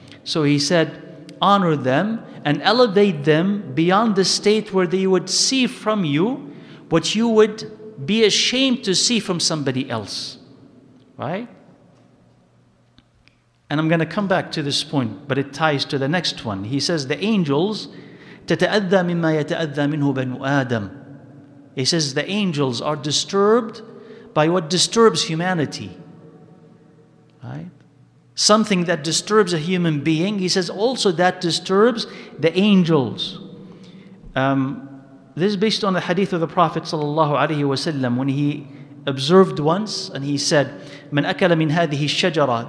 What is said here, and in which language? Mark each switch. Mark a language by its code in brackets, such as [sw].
[en] So he said, honor them and elevate them beyond the state where they would see from you what you would be ashamed to see from somebody else. Right? And I'm going to come back to this point, but it ties to the next one. He says, the angels, [ar] تَتَأَذَّى مِمَّا يَتَأَذَّى مِنْهُ بَنُ آدَمُ. [en] He says the angels are disturbed by what disturbs humanity. Right? Something that disturbs a human being, he says also that disturbs the angels. This is based on the hadith of the Prophet ﷺ when he observed once and he said, [ar] مَنْ أَكَلَ مِنْ هَذِهِ الشَّجَرَةِ.